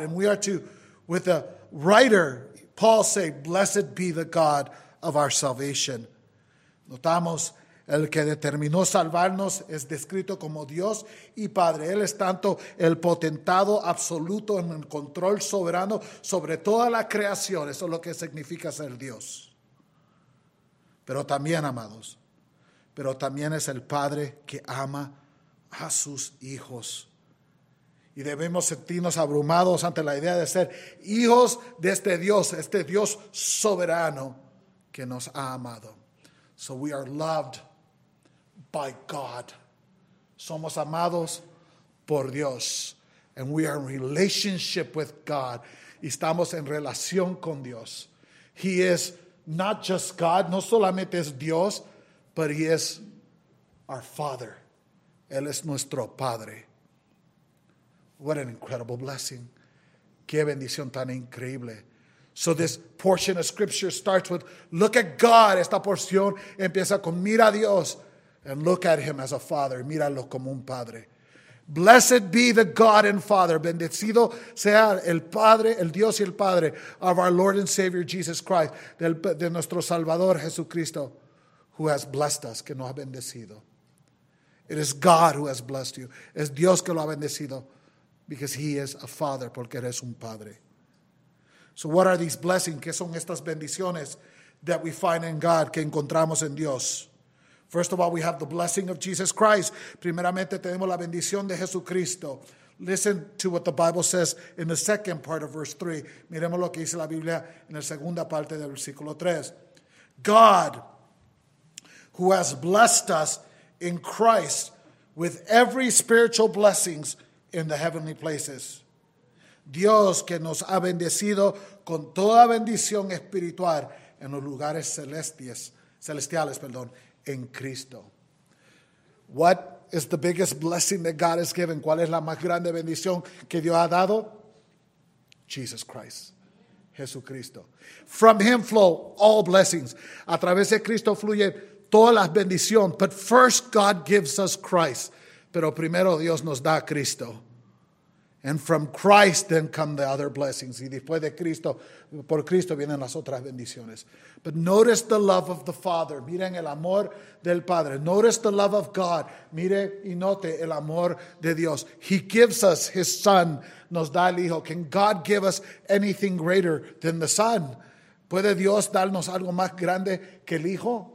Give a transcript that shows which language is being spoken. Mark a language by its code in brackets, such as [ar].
[en] And we are to, with a writer, Paul say, blessed be the God of our salvation. [es] Notamos, el que determinó salvarnos es descrito como Dios y Padre. Él es tanto el potentado absoluto en el control soberano sobre toda la creación. Eso es lo que significa ser Dios. Pero también, amados, pero también es el Padre que ama a sus hijos. Y debemos sentirnos abrumados ante la idea de ser hijos de este Dios soberano que nos ha amado. [en] So we are loved by God. [es] Somos amados por Dios. [en] And we are in relationship with God. [es] Estamos en relación con Dios. [en] He is not just God, [es] no solamente es Dios, [en] but he is our Father. [es] Él es nuestro Padre. [en] What an incredible blessing. [es] Qué bendición tan increíble. [en] So this portion of scripture starts with, look at God. [es] Esta porción empieza con, mira a Dios. [en] And look at him as a father. [es] Míralo como un padre. [en] Blessed be the God and Father. [es] Bendecido sea el Padre, el Dios y el Padre [en] of our Lord and Savior Jesus Christ. [es] De nuestro Salvador Jesucristo, [en] who has blessed us, [es] que nos ha bendecido. [en] It is God who has blessed you. [es] Es Dios que lo ha bendecido. [en] Because he is a father, [es] porque eres un padre. [en] So what are these blessings? [es] ¿Qué son estas bendiciones [en] that we find in God, [es] que encontramos en Dios? [en] First of all, we have the blessing of Jesus Christ. [es] Primeramente, tenemos la bendición de Jesucristo. [en] Listen to what the Bible says in the second part of verse 3. [es] Miremos lo que dice la Biblia en la segunda parte del versículo 3. [en] God, who has blessed us in Christ with every spiritual blessings in the heavenly places. [es] Dios que nos ha bendecido con toda bendición espiritual en los lugares celestiales, en Cristo. [en] What is the biggest blessing that God has given? [es] ¿Cuál es la más grande bendición que Dios ha dado? [en] Jesus Christ. Jesucristo. From him flow all blessings. [es] A través de Cristo fluye todas las bendiciones. [en] But first God gives us Christ. [es] Pero primero Dios nos da a Cristo. [en] And from Christ then come the other blessings. [es] Y después de Cristo, por Cristo vienen las otras bendiciones. [en] But notice the love of the Father. [es] Miren el amor del Padre. [en] Notice the love of God. [es] Mire y note el amor de Dios. [en] He gives us his Son. [es] Nos da el Hijo. [en] Can God give us anything greater than the Son? [es] ¿Puede Dios darnos algo más grande que el Hijo?